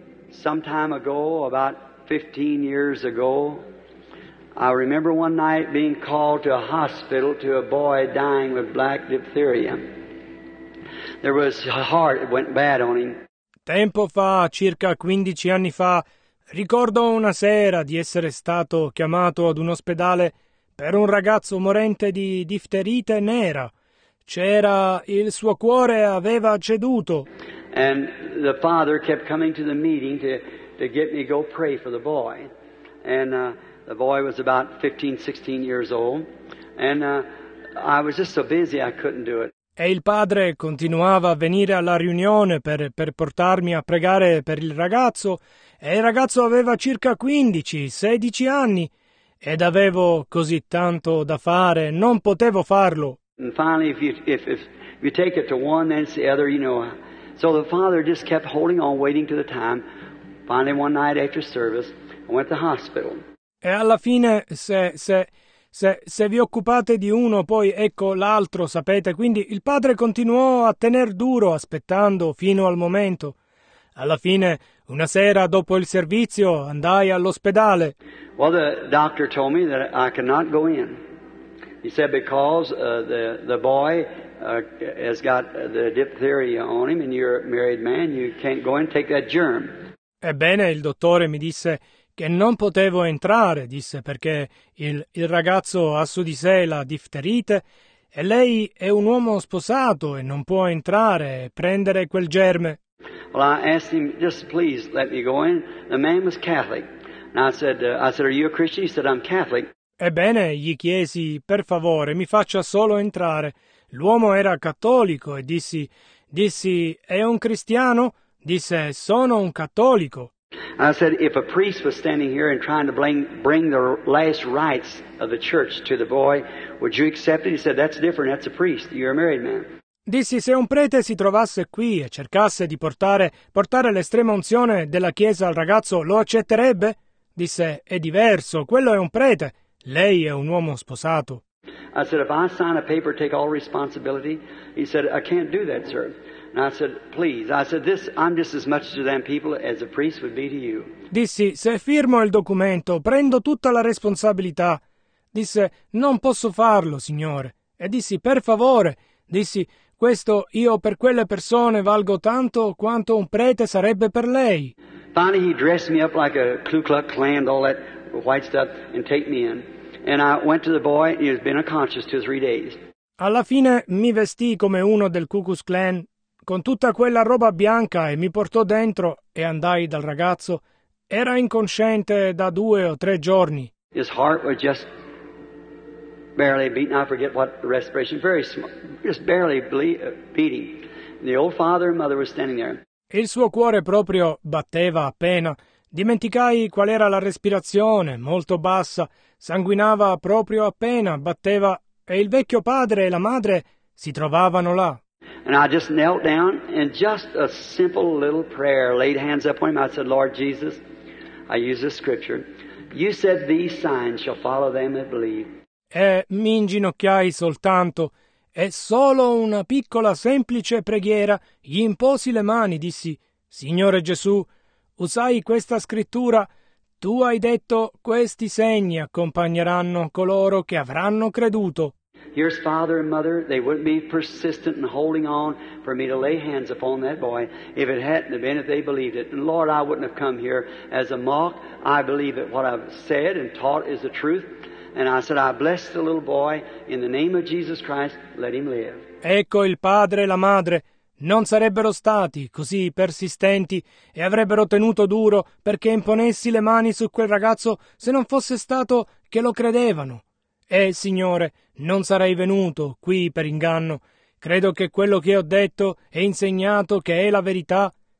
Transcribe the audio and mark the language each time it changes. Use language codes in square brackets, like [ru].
[en] Some time ago, about 15 years ago, I remember one night being called to a hospital to a boy dying with black diphtheria. There was a heart that went bad on him. [it] Tempo fa, circa 15 anni fa, ricordo una sera di essere stato chiamato ad un ospedale per un ragazzo morente di difterite nera. C'era il suo cuore aveva ceduto. [en] And the father kept coming to the meeting to get me to go pray for the boy. And the boy was about 15, 16 years old. And I was just so busy I couldn't do it. [it] E il padre continuava a venire alla riunione per portarmi a pregare per il ragazzo. E il ragazzo aveva circa 15, 16 anni. Ed avevo così tanto da fare, non potevo farlo. [en] And finally, if you take it to one, then it's the other, you know. So the father just kept holding on, waiting to the time. Finally, one night after service, I went to the hospital. [it] E alla fine, se vi occupate di uno, poi ecco l'altro, sapete. Quindi il padre continuò a tener duro, aspettando fino al momento. Alla fine, una sera dopo il servizio, andai all'ospedale. [en] Well, the doctor told me that I could not go in. He said because the boy has got the diphtheria on him and you're a married man, you can't go and take that germ. [it] Ebbene, il dottore mi disse che non potevo entrare, disse, perché il ragazzo ha su di sé la difterite e lei è un uomo sposato e non può entrare e prendere quel germe. [en] Well, I asked him, just please let me go in. The man was Catholic. And I said, are you a Christian? He said, I'm Catholic. [it] Ebbene, gli chiesi, per favore, mi faccia solo entrare. L'uomo era cattolico e dissi, è un cristiano? Disse, sono un cattolico. [en] I said, if a priest was standing here and trying to bring the last rites of the church to the boy, would you accept it? He said, that's different, that's a priest, you're a married man. [it] Dissi, se un prete si trovasse qui e cercasse di portare l'estrema unzione della chiesa al ragazzo, lo accetterebbe? Disse, è diverso, quello è un prete. Lei è un uomo sposato. [en] I said, if I sign a paper, take all responsibility. He said, I can't do that, sir. And I said, please. I said, this, I'm just as much to them people as a priest would be to you. [it] Dissi, se firmo il documento, prendo tutta la responsabilità. Disse, non posso farlo, signore. E dissi, per favore. Dissi, questo io per quelle persone valgo tanto quanto un prete sarebbe per lei. [en] Finally, he dressed me up like a Ku Klux Klan, all that white stuff, and take me in. And I went to the boy, he has been unconscious 2 or 3 days. [it] Alla fine mi vestì come uno del Ku Klux Klan, con tutta quella roba bianca, e mi portò dentro e andai dal ragazzo. Era inconsciente da 2 o 3 giorni. [en] His heart was just barely beating, I forget what the respiration, very small, just barely beating. And the old father and mother were standing there. [it] Il suo cuore proprio batteva appena. Dimenticai qual era la respirazione, molto bassa, sanguinava proprio appena, batteva, e il vecchio padre e la madre si trovavano là. [en] And I just knelt down and just a simple little prayer, laid hands up on him. I said, Lord Jesus, I use this scripture. You said these signs shall follow them that believe. [it] E mi inginocchiai soltanto, e solo una piccola semplice preghiera, gli imposi le mani, dissi, Signore Gesù, usai questa scrittura, tu hai detto, questi segni accompagneranno coloro che avranno creduto. [en] Here's father and mother, they wouldn't be persistent in holding on for me to lay hands upon that boy if it hadn't have been if they believed it. And Lord, I wouldn't have come here as a mock. I believe that what I've said and taught is the truth. And I said, I bless the little boy in the name of Jesus Christ, let him live. [it] Ecco il padre e la madre. Non sarebbero stati così persistenti e avrebbero tenuto duro perché imponessi le mani su quel ragazzo se non fosse stato che lo credevano. E, Signore, non sarei venuto qui per inganno. Credo che quello che ho detto e insegnato che è la verità.